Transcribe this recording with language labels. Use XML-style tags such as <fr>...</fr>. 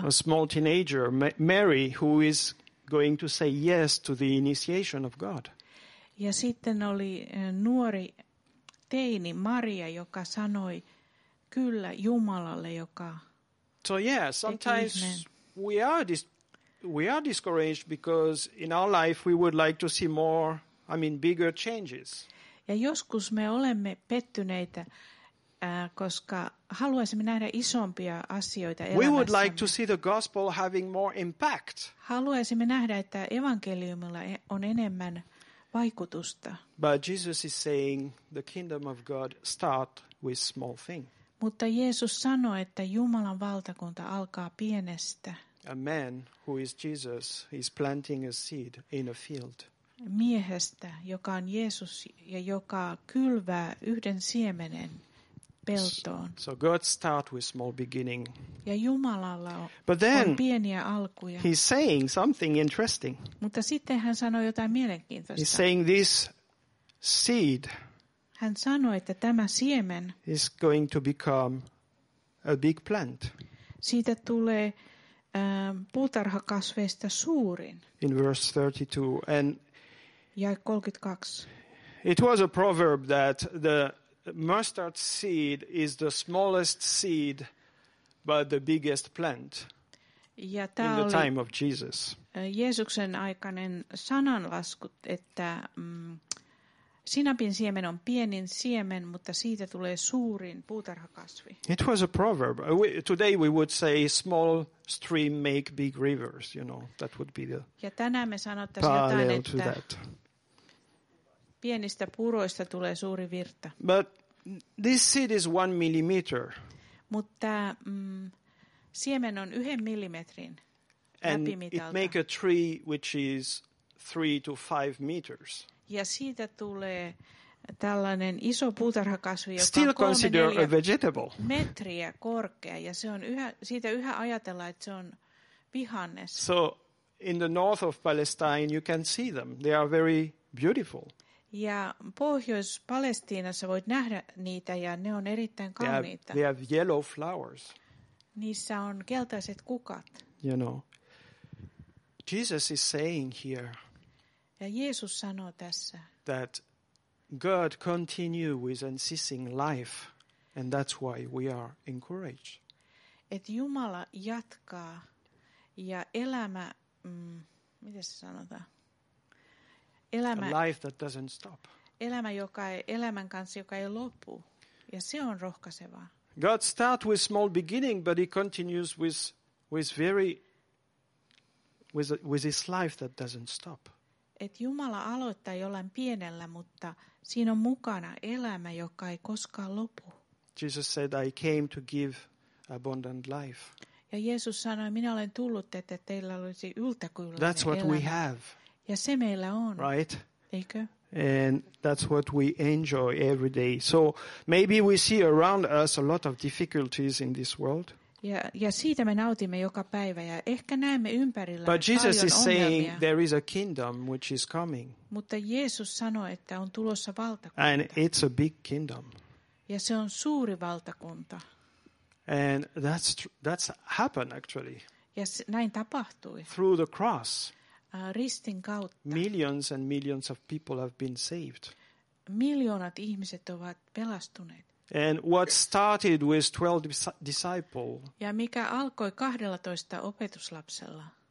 <en>A small teenager, Mary, who is going to say yes to the initiation of God.</en> <fi>Ja sitten oli nuori teini Maria, joka sanoi kyllä Jumalalle, joka.</fi> <en>So yeah, sometimes we are discouraged because in our life we would like to see more, I mean bigger changes.</en> <fi>Ja joskus me olemme pettyneitä, koska haluaisimme nähdä isompia asioita elämässä.</fi> <en>We would like to see the gospel having more impact.</en> <fi>Haluaisimme nähdä, että evankeliumilla on enemmän vaikutusta.</fi> <en>But Jesus is saying the kingdom of God start with small thing.</en> <fi>Mutta Jeesus sanoi, että Jumalan valtakunta alkaa pienestä.</fi> <en>A man who is Jesus is planting a seed in a field.</en> <fi>Miehestä, joka on Jeesus ja joka kylvää yhden siemenen peltoon.</fi> <en>So God start with small beginning.</en> <fi>Ja Jumalalla on pieniä alkuja.</fi> <en>He's saying something interesting.</en> <fi>Mutta sitten hän sanoi jotain mielenkiintoista.</fi> <en>He's saying this seed.</en> <fi>Hän sanoi, että tämä siemen</fi> <en>is going to become a big plant.</en> <fi>Siitä tulee puutarhakasveista suurin.</fi> <en>In verse 32 and</en> <fi>ja 32.</fi> <en>It was a proverb that the mustard seed is the smallest seed but the biggest plant.</en> <fi>Ja</fi> <en>in the time of Jesus.</en> <fi>Jeesuksen aikainen sananlasku, että sinapin siemen on pienin siemen, mutta siitä tulee suurin puutarhakasvi.</fi> <en>It was a proverb. Today we would say small stream make big rivers, you know. That would be the.</en> <fi>Ja tänään me sanottaisiin jotain, että that. Pienistä puroista tulee suuri virta.</fi> <en>But this seed is 1 millimeter.</en> <fi>Mutta siemen on 1 millimetrin läpimitalta.</fi> <en>And it make a tree which is 3 to 5 meters.</en> <fi>Ja siitä tulee tällainen iso puutarhakasvi, joka</fi> <en>still</en> <fi>on 3-4 metriä korkea. Ja se on siitä yhä ajatellaan, että se on vihannes.</fi> <en>So in the north of Palestine you can see them. They are very beautiful.</en> <fi>Ja Pohjois-Palestiinassa voit nähdä niitä ja ne on erittäin kauniita.</fi> <en>They have yellow flowers.</en> <fi>Niissä on keltaiset kukat.</fi> <en>You know, Jesus is saying here.</en> <fi>Ja Jeesus sanoo tässä.</fi> <en>That God continue with unceasing life and that's why we are encouraged.</en> <fi>Et Jumala jatkaa ja elämä miten se sanotaan?</fi> <en>Elämä, a life that doesn't stop.</en> <fi>Elämän kanssa, joka ei lopu. Ja se on rohkaisevaa.</fi> <en>God start with small beginning but he continues with his life that doesn't stop.</en> <fi>Et Jumala aloittaa jollain pienellä, mutta siinä on mukana elämä, joka ei koskaan lopu.</fi> <en>Jesus said, I came to give abundant life.</en> <fi>Ja Jeesus sanoi, minä olen tullut, että teillä olisi yltäkylläinen elämä.</fi> <en>That's what we have.</en> <fi>Ja se meillä on.</fi> <en>Right?</en> <fi>Eikö?</fi> <en>And that's what we enjoy every day. So maybe we see around us a lot of difficulties in this world.</en> <fi>Ja siitä me nautimme joka päivä ja ehkä näemme ympärillä.</fi> <en>But Jesus is saying there is a kingdom which is coming.</en> <fi>Mutta Jeesus sanoi, että on tulossa valtakunta.</fi> <en>And it's a big kingdom.</en> <fi>Ja se on suuri valtakunta.</fi> <en>And that's happened actually.</en> <fi>Ja näin tapahtui.</fi> <en>Through the cross.</en> <fi>Ristin kautta.</fi> <en>Millions and millions of people have been saved.</en> <fi>Miljoonat ihmiset ovat pelastuneet.</fi> <en>And what started with 12 disciples?</en> <fi>Ja mikä alkoi 12 opetuslapsella?</fi>